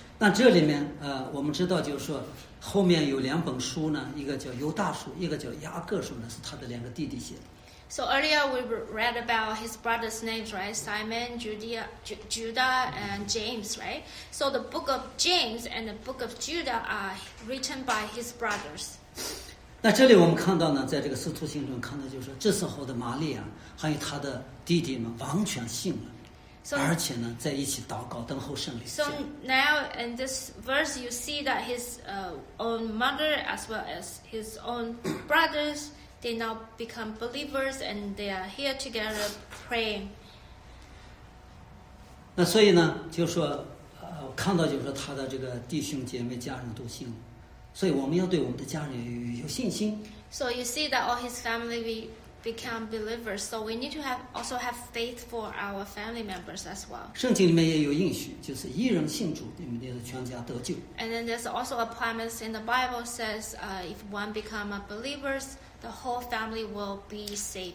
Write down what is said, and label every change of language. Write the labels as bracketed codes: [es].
[zh] 那这里面我们知道就是说，后面有两本书呢，一个叫犹大书，一个叫雅各书呢，是他的两个弟弟写的。 [en] So earlier we read about his brothers' names, right? Simon, Judah, and James, right? So the book of James and the book of Judah are written by his brothers. [zh] 那这里我们看到呢，在这个使徒行中看到，就是这时候的玛利亚还有他的弟弟们完全信了。而且呢，在一起祷告，等候圣灵。 [en] So now in this verse, you see that his own mother as well as his own brothers, they now become believers and they are here together praying. [zh] 那所以呢，就说我看到就是他的这个弟兄姐妹家人都信了，所以我们要对我们的家人有信心。 [en] So you see that all his family become believers, so we need to also have faith for our family members as well. [zh] 圣经里面也有应许，就是一人信主，你们的全家得救。 [en] And then there's also a promise in the Bible says, if one become a believer, the whole family will be saved.